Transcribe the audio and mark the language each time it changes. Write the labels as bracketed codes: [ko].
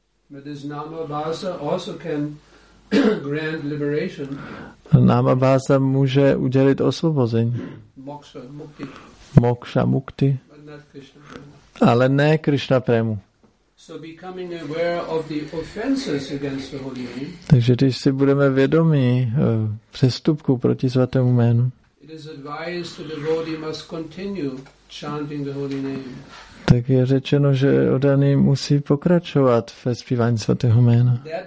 [en] But this Nama Abhasa also can grant liberation. [cs] Nama Abhasa může udělit osvobození. [sa] Moksha Mukti. Moksha Mukti. [en] But not Krishna Prema. [cs] Ale ne Krishna Premu. [en] So becoming aware of the offenses against the holy name. [cs] Takže když si budeme vědomí přestupku proti svatému jménu. [en] It is advised that the devotee must continue chanting the holy name. [cs] tak je řečeno, že oddaný musí pokračovat ve zpívání svatého jména.